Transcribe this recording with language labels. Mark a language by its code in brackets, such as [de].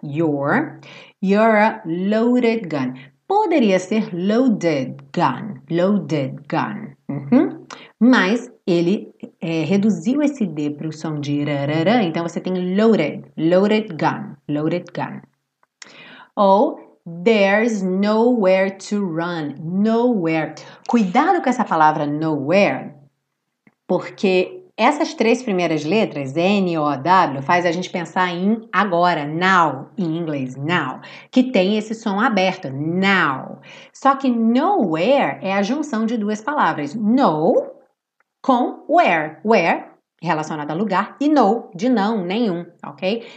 [en] You're a loaded gun. [pt] Poderia ser [en] loaded gun. Loaded gun. Uh-huh. [pt] Mas ele reduziu esse D para o som de rarara, então você tem loaded, [en] loaded gun, loaded gun. Ou, there's nowhere to run, nowhere. [pt] Cuidado com essa palavra nowhere, porque essas três primeiras letras, N, O, W, faz a gente pensar em agora, now, em inglês, now, que tem esse som aberto, now. Só que nowhere é a junção de duas palavras, no, com where, relacionado a lugar, e no, de não, nenhum, ok?